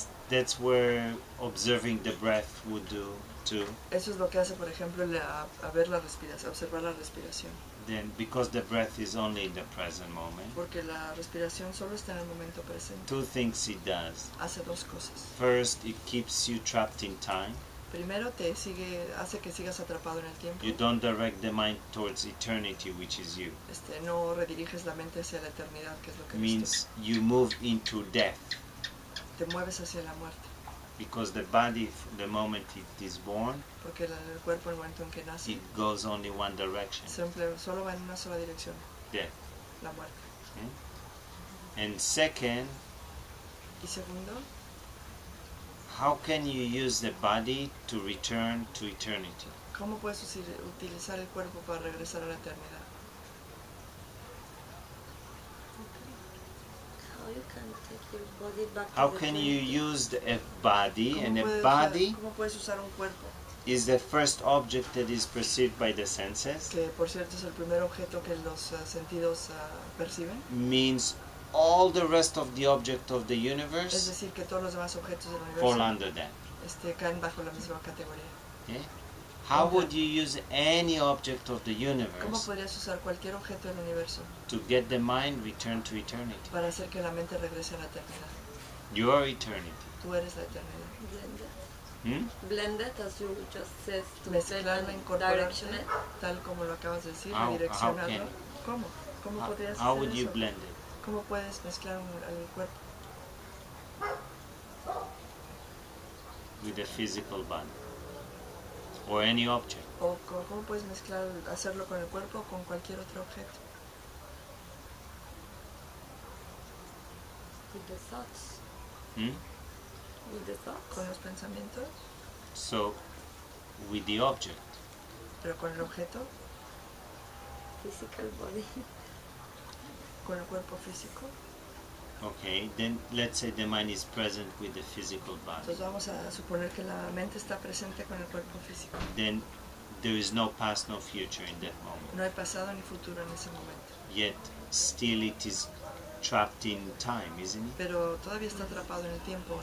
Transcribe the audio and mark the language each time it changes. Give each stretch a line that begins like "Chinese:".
English: That's where observing the breath would do too.
Spanish: Eso es lo que hace, por ejemplo, a ver la respiración, observar la respiración.
English: Then, because the breath is only in the present moment.
Spanish: Porque la respiración solo está en el momento presente.
English: Two things it does.
Spanish: Hace dos cosas.
English: First, it keeps you trapped in time.
Spanish: Primero, te sigue, hace que sigas atrapado en el tiempo.
English: You don't direct the mind towards eternity, which is you.
Spanish: No rediriges la mente hacia la eternidad, que es lo que
English: means you move into death.
Spanish: Te mueves hacia la muerte.
English: Because the body, the moment it is born,
Spanish: porque el cuerpo, el momento en que nace,
English: it goes only one direction.
Spanish: Simple, solo va en una sola dirección.
English: Death.
Spanish: La muerte.
English: Okay. And second,
Spanish: y segundo,
English: how can you use the body to return to eternity?
Spanish: ¿Cómo puedes utilizar el cuerpo para regresar a la eternidad?
English: How you can take your body back to how the can eternity? You use the body and a body?
Spanish: ¿Cómo puedes usar un cuerpo?
English: Is the first object that is perceived by the senses.
Spanish: Que por cierto es el primer objeto que los sentidos perciben.
English: Means all the rest of the object of the universe.
Spanish: Es decir, que todos los demás objetos del universo
English: fall under that.
Spanish: Caen bajo la misma categoría.
English: Yeah. How would you use any object of the universe?
Spanish: ¿Cómo podrías usar cualquier objeto del universo?
English: To get the mind return to eternity.
Spanish: Para hacer que la mente regrese a la eternidad.
English: You are eternity.
Spanish: Tú eres la eternidad.
English: Blend it, as you just said, to
Spanish: mezclarlo, incorporarlo, tal como lo acabas de decir, redireccionarlo. ¿Cómo? ¿Cómo podrías
English: how
Spanish: hacer
English: would you
Spanish: eso?
English: Blend it?
Spanish: ¿Cómo puedes mezclar el cuerpo?
English: With a physical body. Or any object.
Spanish: O ¿cómo puedes mezclar, hacerlo con el cuerpo o con cualquier otro objeto?
English: With the thoughts. With the thoughts.
Spanish: Con los pensamientos.
English: So, with the object.
Spanish: Pero con el objeto.
English: Physical body.
Spanish: Con el cuerpo físico.
English: Okay, then let's say the mind is present with the physical body.
Spanish: Entonces vamos a suponer que la mente está presente con el cuerpo físico.
English: Then there is no past, no future in that moment.
Spanish: No hay pasado ni futuro en ese momento.
English: Yet still it is trapped in time, isn't it?
Spanish: Pero todavía está atrapado en el tiempo, ¿no?